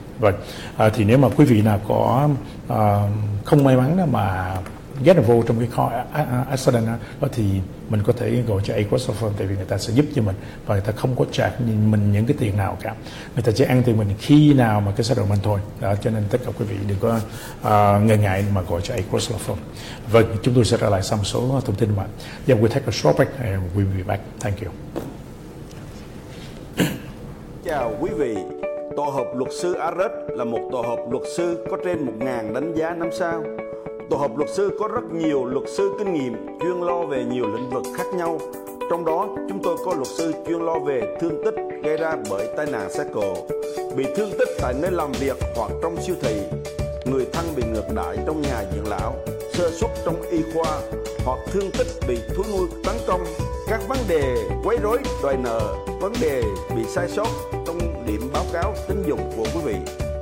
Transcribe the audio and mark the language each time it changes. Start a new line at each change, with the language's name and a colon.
Vietnamese: Vậy thì nếu mà quý vị nào có không may mắn mà
English: get involved
Vietnamese: trong cái car accident đó, thì mình có thể gọi cho Agruss Law Firm, tại vì người ta sẽ giúp cho mình và người ta không có trả mình những cái tiền nào cả. Người ta chỉ ăn tiền mình khi nào mà cái xe đồng mình thôi. Đó, cho nên tất cả quý vị đừng có ngần ngại mà gọi cho Agruss Law Firm. Vâng, chúng tôi sẽ trả lại xong số thông tin mà.
English: Yeah, we'll take a short break and we'll be back. Thank you.
Vietnamese: Chào quý vị. Tổ hợp luật sư Agruss là một tổ hợp luật sư có trên 1,000 đánh giá 5 sao. Tổ hợp luật sư có rất nhiều luật sư kinh nghiệm chuyên lo về nhiều lĩnh vực khác nhau. Trong đó, chúng tôi có luật sư chuyên lo về thương tích gây ra bởi tai nạn xe cộ, bị thương tích tại nơi làm việc hoặc trong siêu thị, người thân bị ngược đãi trong nhà dưỡng lão, sơ suất trong y khoa hoặc thương tích bị thú nuôi tấn công, các vấn đề quấy rối đòi nợ, vấn đề bị sai sót trong điểm báo cáo tín dụng của quý vị.